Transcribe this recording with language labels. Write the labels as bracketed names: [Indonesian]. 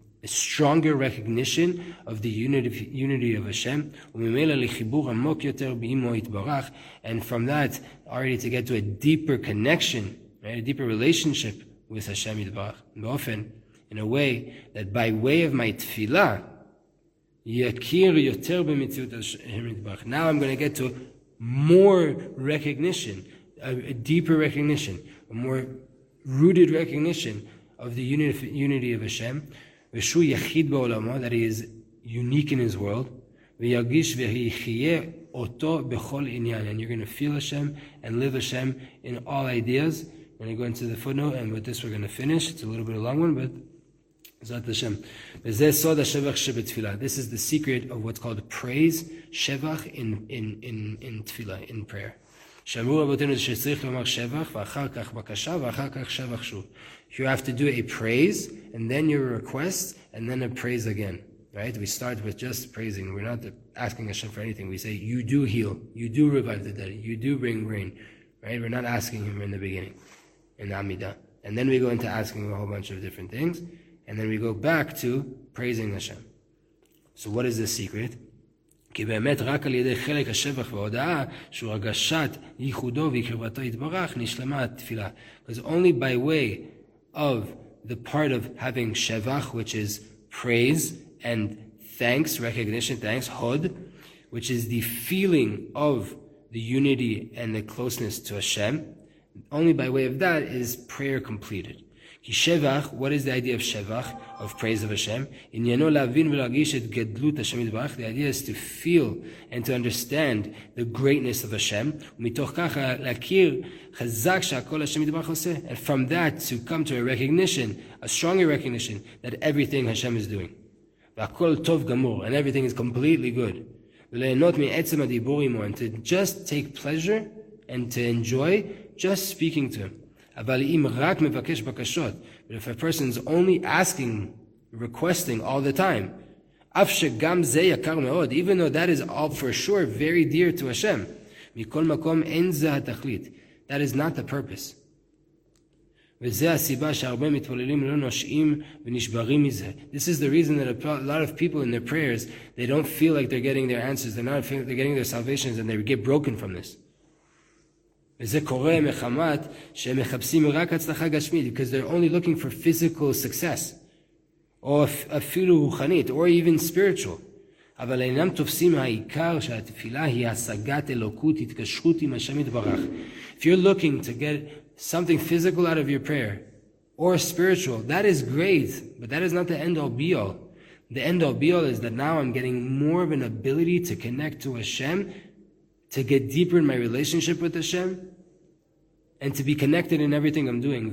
[English] a stronger recognition of the unity of Hashem, [Hebrew] ומימלא לחיבור עמוק יותר בימו יתברך, [English] and from that already to get to a deeper connection, right, a deeper relationship with Hashem יתברך, באופן, in a way that by way of my tefillah, [Hebrew] יכיר יותר במציאות [English] Hashem יתברך. Now I'm going to get to more recognition, a deeper recognition, a more rooted recognition of the unity of Hashem. [Hebrew] ושהוא יחיד בעולמו, [English] that he is unique in his world, [Hebrew] וירגיש ויחיה אותו בכל עניין. [English] And you're going to feel Hashem and live Hashem in all ideas. I'm going to go into the footnote, and with this we're going to finish. It's a little bit of a long one, but זאת Hashem. [Hebrew] וזה סוד השבח שבתפילה. [English] This is the secret of what's called praise, שבח in תפילה, in prayer. [Hebrew] שאמרו רבותינו שצריך לומר שבח, ואחר כך בקשה, ואחר כך שבח שוב. [English] You have to do a praise, and then your request, and then a praise again. Right? We start with just praising. We're not asking Hashem for anything. We say, you do heal. You do revive the dead. You do bring rain. Right? We're not asking Him in the beginning, in the Amidah. And then we go into asking a whole bunch of different things. And then we go back to praising Hashem. So what is the secret? [Hebrew] כי באמת רק על ידי חלק השבח וההודעה שהוא הרגשת ייחודו וקרבתו יתברך נשלמה התפילה. [English] Because only by way of the part of having שבח, which is praise and thanks, recognition, thanks, hod, which is the feeling of the unity and the closeness to Hashem, only by way of that is prayer completed. [Hebrew] כי שבח, [English] what is the idea of שבח? Of praise of Hashem. [Hebrew] עניינו להבין ולהרגיש את גדלות השם יתברך. [English] The idea is to feel and to understand the greatness of Hashem. [Hebrew] ומתוך כך להכיר חזק שהכל השם יתברך עושה. [English] And from that to come to a recognition, a stronger recognition, that everything Hashem is doing. [Hebrew] והכל טוב גמור, [English] and everything is completely good. [Hebrew] וליהנות מעצם הדיבור עמו, [English] and to just take pleasure and to enjoy just speaking to Him. [Hebrew] אבל אם רק מבקש בקשות, [English] but if a person is only asking, requesting all the time, [Hebrew] אף שגם זה יקר מאוד, [English] even though that is all for sure very dear to Hashem, [Hebrew] מכל מקום אין זה התכלית. [English] That is not the purpose. [Hebrew] וזה הסיבה שהרבה מתפוללים לא נושאים ונשברים מזה. [English] This is the reason that a lot of people in their prayers, they don't feel like they're getting their answers, they're not feeling like they're getting their salvations, and they get broken from this. [Hebrew] וזה קורה מחמת שהם מחפשים רק הצלחה גשמית, [English] because they're only looking for physical success, [Hebrew] or אפילו רוחנית, [English] or even spiritual. [Hebrew] אבל אינם תופסים העיקר שהתפילה היא השגת אלוקות, התקשרות עם השם יתברך. [English] If you're looking to get something physical out of your prayer, or spiritual, that is great, but that is not the end all be all. The end all be all is that now I'm getting more of an ability to connect to Hashem, to get deeper in my relationship with Hashem, and to be connected in everything I'm doing.